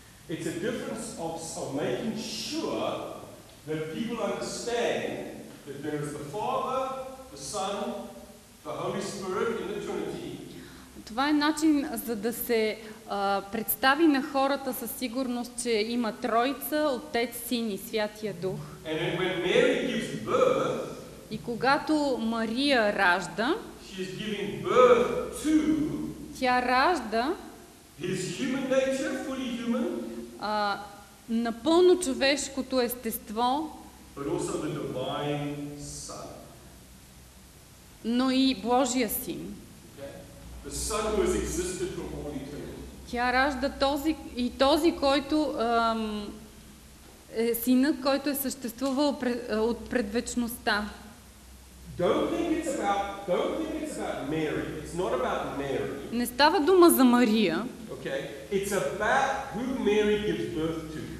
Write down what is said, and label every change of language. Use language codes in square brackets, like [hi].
[en] It's a difference of making sure that people understand that there is the Father, the Son, the Holy Spirit in the Trinity. [bg] Това е начин за да се представи на хората със сигурност, че има Троица, Отец, Син и Святия Дух. [en] And then when Mary gives birth, [bg] и когато Мария ражда, [en] she is giving birth to, [bg] тя ражда [en] his human nature, fully human, [bg] напълно човешкото естество, [en] but also the divine son. [bg] Но и Божия Син. [en] Okay. The son who has existed from all eternity. [bg] Тя ражда този, който е синът, който е съществувал от предвечността. [en] Don't think it's about Mary. It's not about Mary. [bg] Не става дума за Мария. [en] Okay. It's about who Mary gives birth to.